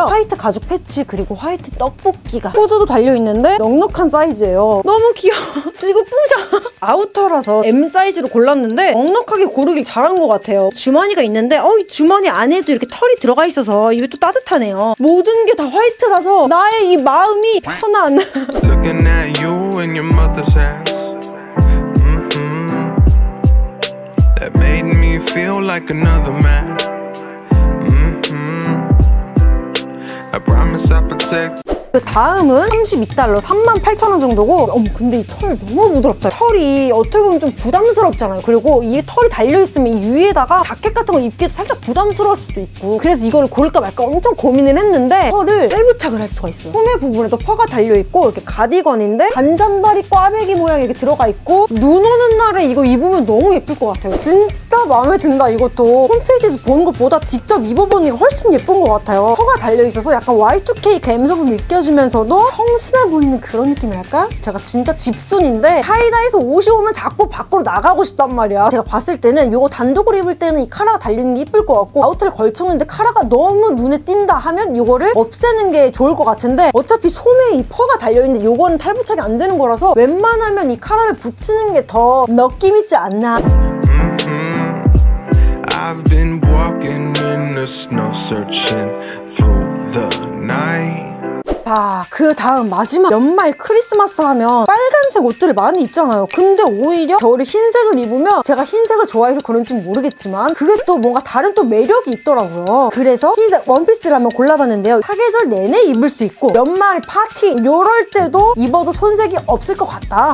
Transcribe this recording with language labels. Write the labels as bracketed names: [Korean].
[Korean] 화이트 가죽 패치, 그리고 화이트 떡볶이가. 코드도 달려있는데 넉넉한 사이즈예요. 너무 귀여워. 지구 뿌셔. 아우터라서 M 사이즈로 골랐는데 넉넉하게 고르길 잘한 것 같아요. 주머니가 있는데 어이 주머니 안에도 이렇게 털이 들어가 있어서 이게 또 따뜻하네요. 모든 게 다 화이트라서 나의 이 마음이 편한. [English] Looking at you and your mother's hands. Mm-hmm. That made me feel like another man. Mm-hmm. I promise I'll protect. [Korean] 그 다음은 32달러 38,000원 정도고. 어머 근데 이 털 너무 부드럽다. 털이 어떻게 보면 좀 부담스럽잖아요. 그리고 이게 털이 달려있으면 이 위에다가 자켓 같은 거 입기도 살짝 부담스러울 수도 있고 그래서 이걸 고를까 말까 엄청 고민을 했는데 털을 뺄부착을 할 수가 있어요. 소매 부분에도 퍼가 달려있고 이렇게 가디건인데 반잔다리 꽈배기 모양이 이렇게 들어가 있고 눈 오는 날에 이거 입으면 너무 예쁠 것 같아요. 진짜 마음에 든다. 이것도 홈페이지에서 보는 것보다 직접 입어보는 게 훨씬 예쁜 것 같아요. 퍼가 달려있어서 약간 Y2K 감성을 느껴 면서도 청순해 보이는 그런 느낌이랄까? 제가 진짜 집순인데 타이다에서 옷이 오면 자꾸 밖으로 나가고 싶단 말이야. 제가 봤을 때는 이거 단독으로 입을 때는 이 카라가 달리는 게 이쁠 것 같고 아우터를 걸쳤는데 카라가 너무 눈에 띈다 하면 이거를 없애는 게 좋을 것 같은데 어차피 소매에 이 퍼가 달려있는데 이거는 탈부착이 안 되는 거라서 웬만하면 이 카라를 붙이는 게 더 느낌 있지 않나? [English] I've been walking in the snow searching through the night. [Korean] 자, 그 다음 마지막 연말 크리스마스 하면 빨간색 옷들을 많이 입잖아요. 근데 오히려 겨울에 흰색을 입으면 제가 흰색을 좋아해서 그런지 모르겠지만 그게 또 뭔가 다른 또 매력이 있더라고요. 그래서 흰색 원피스를 한번 골라봤는데요. 사계절 내내 입을 수 있고 연말 파티 요럴 때도 입어도 손색이 없을 것 같다.